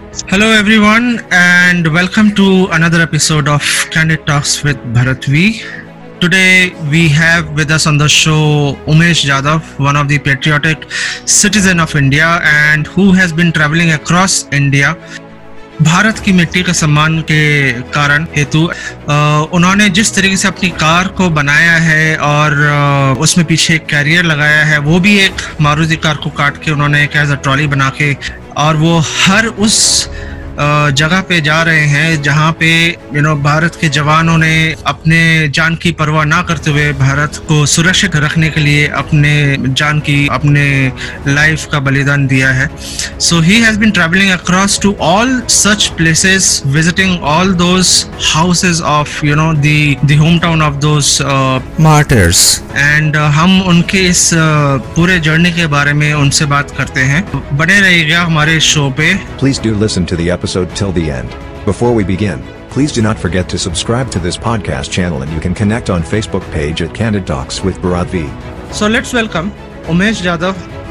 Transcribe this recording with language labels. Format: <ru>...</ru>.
<en>Hello everyone and welcome to another episode of Candid Talks with Bharat V. Today we have with us on the show Umesh Jadhav, one of the patriotic citizen of India and who has been traveling across India.</en> <hi>Bharat की मिट्टी का सम्मान के कारण हेतु उन्होंने जिस तरीके से अपनी कार को बनाया है और उसमें पीछे एक कैरियर लगाया है वो भी एक मारुति कार को काट के उन्होंने एक</hi> <en>as a trolley</en> <hi>बना के और वो हर उस जगह पे जा रहे हैं जहाँ पे यू नो भारत के जवानों ने अपने जान की परवाह ना करते हुए भारत को सुरक्षित रखने के लिए अपने जान की अपने लाइफ का बलिदान दिया है.</hi> <en>so he has been travelling across to all such places visiting all those houses of you know the home town of those martyrs</en> <hi>and हम उनके इस पूरे जर्नी के बारे में उनसे बात करते हैं. बने रहिएगा हमारे शो पे.</hi> <en>Please do listen to the episode till the end. Before we begin, please do not forget to subscribe to this podcast channel and you can connect on Facebook page at Candid Talks with Bharat V. So let's welcome Umesh Jadhav.</en>